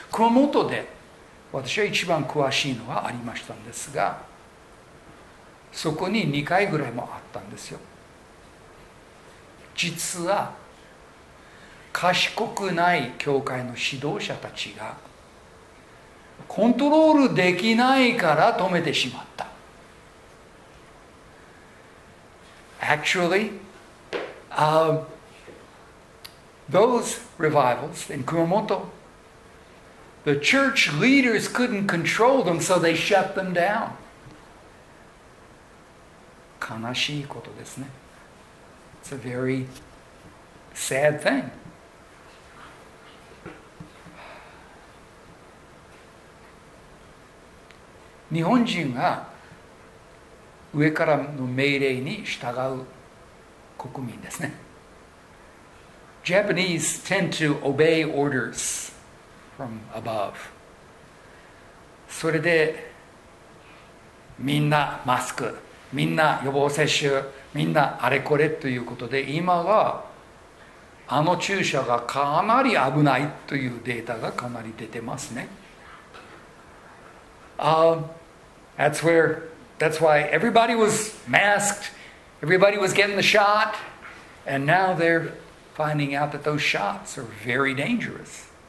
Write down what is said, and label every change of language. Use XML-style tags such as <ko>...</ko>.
<ja>熊本で私は一番詳しいのはありましたんですが、そこに2回ぐらいもあったんですよ。実は賢くない教会の指導者たちがコントロールできないから止めてしまった。</ja> <en>Actually, those revivals in Kumamoto, the church leaders couldn't control them, so they shut them down.</en> <ja>悲しいことですね。</ja> <en>It's a very sad thing.</en> <ja>日本人が上からの命令に従う国民ですね。</ja> <en>Japanese tend to obey orders from above.</en> <ja>それでみんなマスク、みんな予防接種、みんなあれこれということで、今はあの注射がかなり危ないというデータがかなり出てますね。</ja> <en>That's why everybody was masked, everybody was getting the shot, and now they're finding out that those shots are very dangerous.</en>